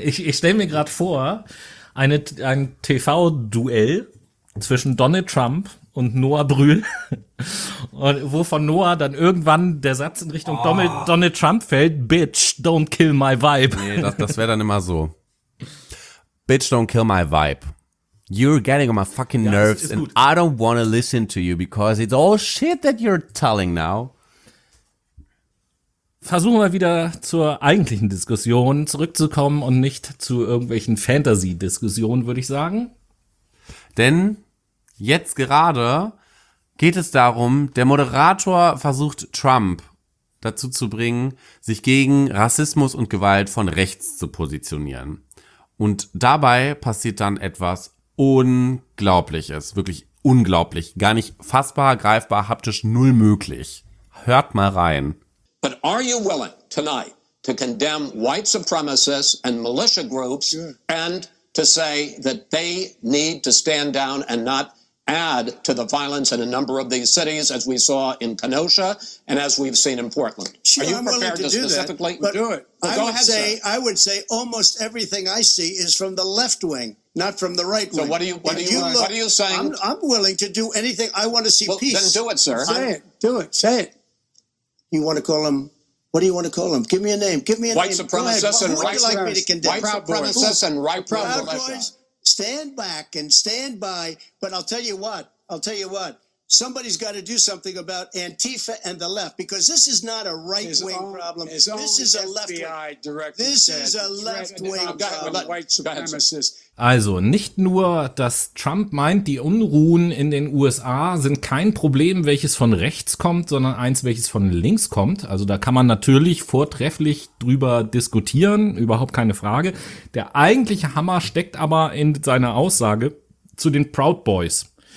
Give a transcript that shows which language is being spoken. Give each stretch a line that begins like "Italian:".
German: Ich stell mir gerade vor, ein TV-Duell zwischen Donald Trump und Noah Brühl. Und wo von Noah dann irgendwann der Satz in Richtung Donald Trump fällt,
English: Bitch, don't kill my vibe.
German: Nee, das wäre dann immer so.
English: Bitch, don't kill my vibe. You're getting on my fucking nerves ist and gut. I don't wanna listen to you because it's all shit that you're telling now.
German: Versuchen wir wieder zur eigentlichen Diskussion zurückzukommen und nicht zu irgendwelchen Fantasy-Diskussionen, würde ich sagen. Denn jetzt gerade geht es darum, der Moderator versucht Trump dazu zu bringen, sich gegen Rassismus und Gewalt von rechts zu positionieren. Und dabei passiert dann etwas Unglaubliches, wirklich unglaublich, gar nicht fassbar, greifbar, haptisch null möglich. Hört mal rein.
English: But are you willing tonight to condemn white supremacists and militia groups and to say that they need to stand down and not add to the violence in a number of these cities, as we saw in Kenosha and as we've seen in Portland. Sure, are you prepared to specifically do that, but do it? Well, I would say almost everything I see is from the left wing, not from the right wing. So what are you saying? I'm willing to do anything. I want to see peace. Then do it, sir. Say it. You want to call them? What do you want to call them? Give me a name. White supremacists and right wing. White supremacists and right wing. Stand back and stand by, but I'll tell you what, somebody's got to do something about Antifa and the left, because this is not a right-wing problem. This is a left-wing. This is a left-wing problem.
German: Also, nicht nur, dass Trump meint, die Unruhen in den USA sind kein Problem, welches von rechts kommt, sondern eins, welches von links kommt. Also da kann man natürlich vortrefflich drüber diskutieren, überhaupt keine Frage. Der eigentliche Hammer steckt aber in seiner Aussage zu den Proud Boys.